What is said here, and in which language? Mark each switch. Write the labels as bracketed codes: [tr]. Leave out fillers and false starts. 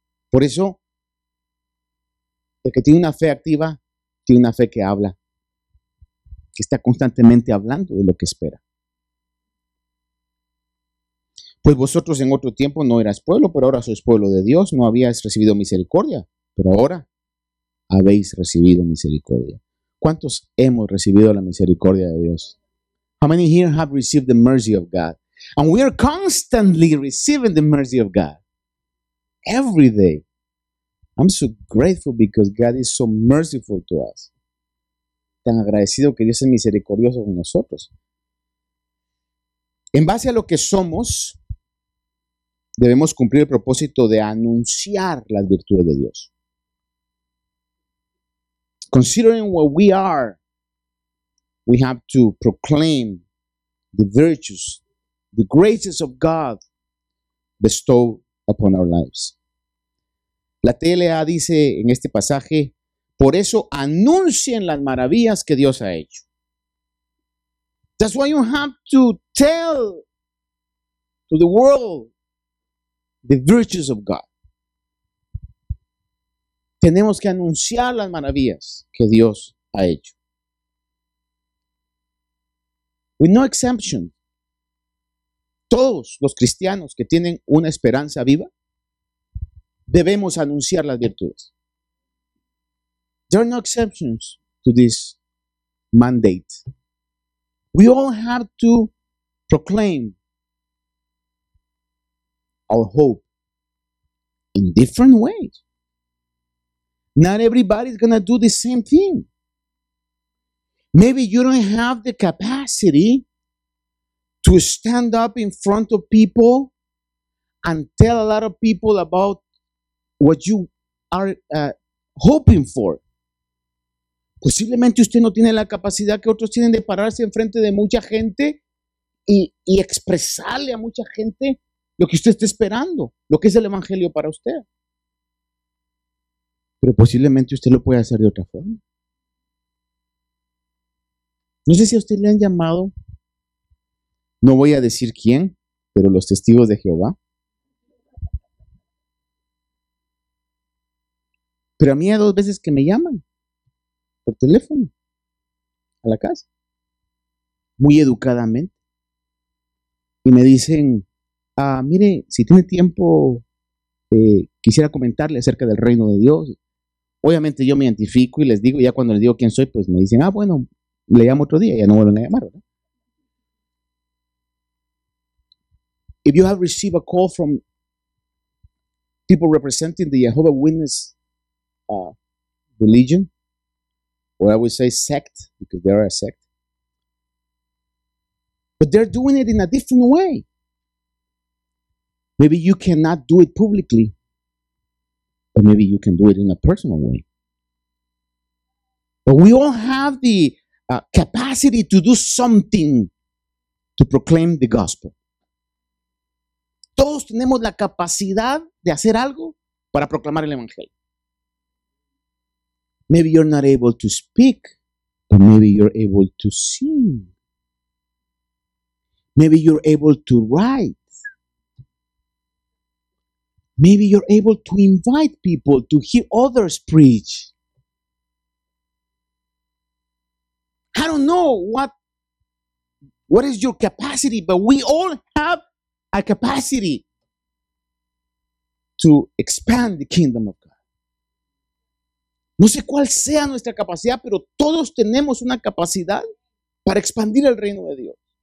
[es] Por eso, el que tiene una fe activa, tiene una fe que habla, que está constantemente hablando de lo que espera. Pues vosotros en otro tiempo no erais pueblo, pero ahora sois pueblo de Dios. No habíais recibido misericordia, pero ahora habéis recibido misericordia. ¿Cuántos hemos recibido la misericordia de Dios? [en] How many here have received the mercy of God? And we are constantly receiving the mercy of God. Every day. I'm so grateful because God is so merciful to us. [es] Tan agradecido que Dios es misericordioso con nosotros. En base a lo que somos, debemos cumplir el propósito de anunciar las virtudes de Dios. [en] Considering what we are, we have to proclaim the virtues, the graces of God bestowed upon our lives. [es] La TLA dice en este pasaje, por eso anuncien las maravillas que Dios ha hecho. [en] That's why you have to tell to the world the virtues of God. [es] Tenemos que anunciar las maravillas que Dios ha hecho. [en] With no exception, [es] todos los cristianos que tienen una esperanza viva, debemos anunciar las virtudes. [en] There are no exceptions to this mandate. We all have to proclaim our hope in different ways. Not everybody is going to do the same thing. Maybe you don't have the capacity to stand up in front of people and tell a lot of people about what you are hoping for. [es] Posiblemente usted no tiene la capacidad que otros tienen de pararse en frente de mucha gente y expresarle a mucha gente lo que usted está esperando, lo que es el evangelio para usted. Pero posiblemente usted lo puede hacer de otra forma. No sé si a usted le han llamado, no voy a decir quién, pero los testigos de Jehová. Pero a mí hay dos veces que me llaman por teléfono a la casa, muy educadamente, y me dicen, mire, si tiene tiempo, quisiera comentarle acerca del reino de Dios. Obviamente yo me identifico y les digo, ya cuando les digo quién soy, pues me dicen, ah, bueno, le llamo otro día, ya no vuelven a llamar, ¿verdad? [en] If you have received a call from people representing the Jehovah Witness religion, or I would say sect, because they are a sect, but they're doing it in a different way. Maybe you cannot do it publicly, but maybe you can do it in a personal way. But we all have the capacity to do something to proclaim the gospel. [es] Todos tenemos la capacidad de hacer algo para proclamar el evangelio. [en] Maybe you're not able to speak, but maybe you're able to sing. Maybe you're able to write. Maybe you're able to invite people to hear others preach. I don't know what is your capacity, but we all have a capacity to expand the kingdom of God. [es] No sé cuál sea nuestra capacidad, pero todos tenemos una capacidad para expandir el reino de Dios.